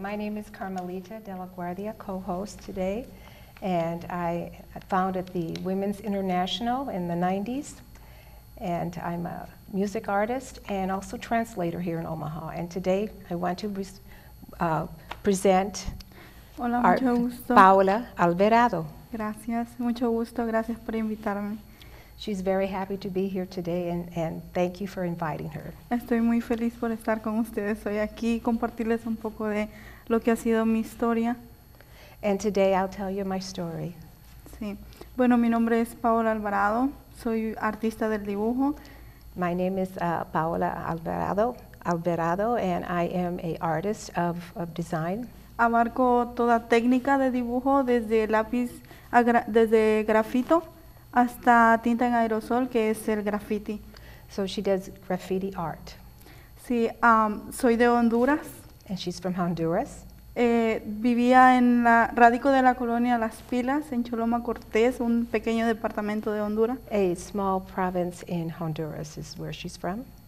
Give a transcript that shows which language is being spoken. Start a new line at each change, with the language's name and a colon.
English: My name is Carmelita De La Guardia, co-host today, and I founded the Women's International in the 90s, and I'm a music artist and also translator here in Omaha, and today I want to present
Spanish: Hola, mucho gusto. Pahola Alvarado. Gracias, mucho gusto. Gracias por invitarme.
English: She's very happy to be here today, and thank you for inviting her.
Spanish: Estoy muy feliz por estar con ustedes hoy aquí y compartirles un poco de lo que ha sido mi historia.
English: And today I'll tell you my story.
Spanish: Sí. Bueno, mi nombre es Pahola Alvarado. Soy artista del dibujo.
English: My name is Pahola Alvarado, and I am an artist of design.
Spanish: Abarco toda técnica de dibujo, desde lápiz, desde grafito, hasta tinta en aerosol, que es el graffiti.
English: So she does graffiti art.
Spanish: Sí, soy de Honduras.
English: And she's from Honduras.
Spanish: Vivía en la radico de la colonia Las Pilas, en Choloma Cortés, un pequeño departamento de Honduras.
English: A small province in Honduras is where she's from.